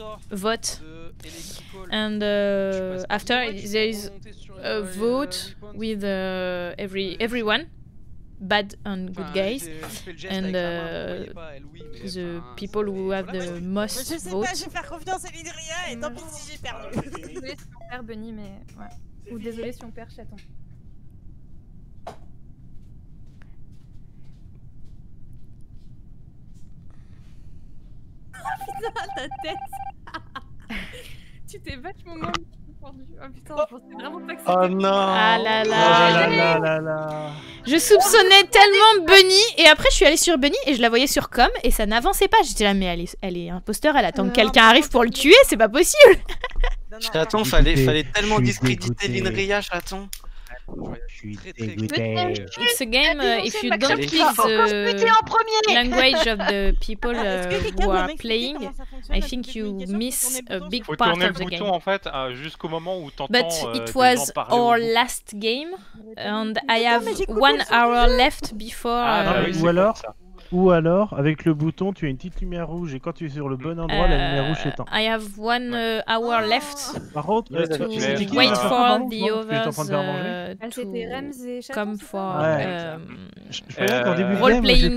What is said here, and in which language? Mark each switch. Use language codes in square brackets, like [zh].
[en] Vote and after there is a vote with everyone bad and good guys and the people who have the most votes. [fr] Je vais faire confiance à Lydia et tant pis si j'ai perdu. Désolé si on perd Bunny mais ou désolé si on perd Chaton. Ta tête. Tu t'es vachement mal perdu. Oh putain, je pensais vraiment pas que ça. Oh non. Ah là là. Là. Je soupçonnais tellement Bunny et après je suis allée sur Bunny et je la voyais sur com et ça n'avançait pas. J'étais là mais elle est imposteur, elle attend que quelqu'un arrive pour le tuer, c'est pas possible. Chaton, fallait tellement discréditer l'Inria, Chaton. [en] It's a game if you don't speak the language of the people who are playing, I think you miss a big part of the game. [fr] En fait, jusqu'au moment où t'entends. [en] But it was our last game, and I have 1 hour left before. [fr] Ou alors, avec le bouton, tu as une petite lumière rouge et quand tu es sur le bon endroit, la lumière rouge s'éteint. [en] I have 1 hour left. [fr] Par contre, [en] to wait for the others. Comme for. Roleplaying